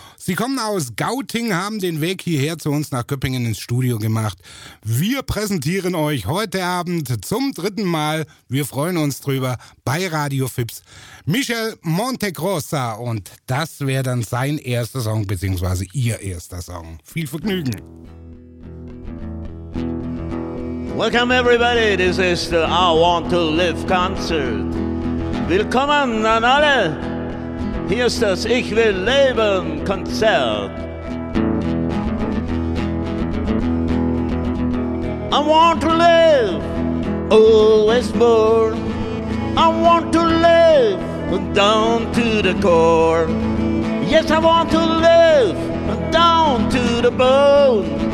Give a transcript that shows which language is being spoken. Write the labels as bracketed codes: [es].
[de] Sie kommen aus Gauting, haben den Weg hierher zu uns nach Köppingen ins Studio gemacht. Wir präsentieren euch heute Abend zum dritten Mal, wir freuen uns drüber, bei Radio Fips, Michel Montegrossa. Und das wäre dann sein erster Song, beziehungsweise ihr erster Song. Viel Vergnügen! [en] Welcome everybody, this is the I Want to Live Concert. [de] Willkommen an alle, hier ist das Ich will leben Konzert. [en] I want to live, always born. I want to live, down to the core. Yes, I want to live, down to the bone.